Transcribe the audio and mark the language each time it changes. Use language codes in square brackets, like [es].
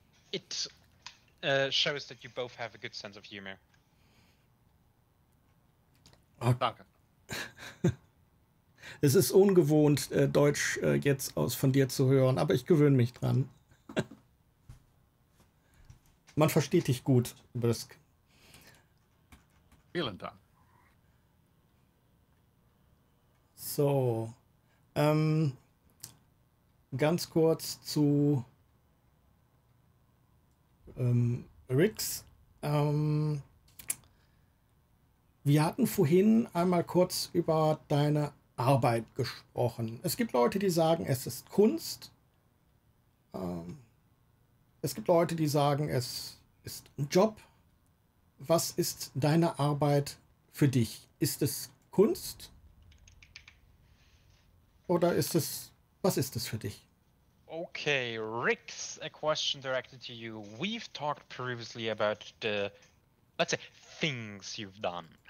[en] It shows that you both have a good sense of humor. [de] Oh. Danke. Es ist ungewohnt, Deutsch jetzt aus von dir zu hören, aber ich gewöhne mich dran. Man versteht dich gut, Brisk. Vielen Dank. So. Ganz kurz zu Rix, wir hatten vorhin einmal kurz über deine Arbeit gesprochen. Es gibt Leute, die sagen, es ist Kunst. Es gibt Leute, die sagen, es ist ein Job. Was ist deine Arbeit für dich? Ist es Kunst? Oder ist es, was ist es für dich? [en] Okay, Rix, a question directed to you. We've talked previously about the let's say things you've done.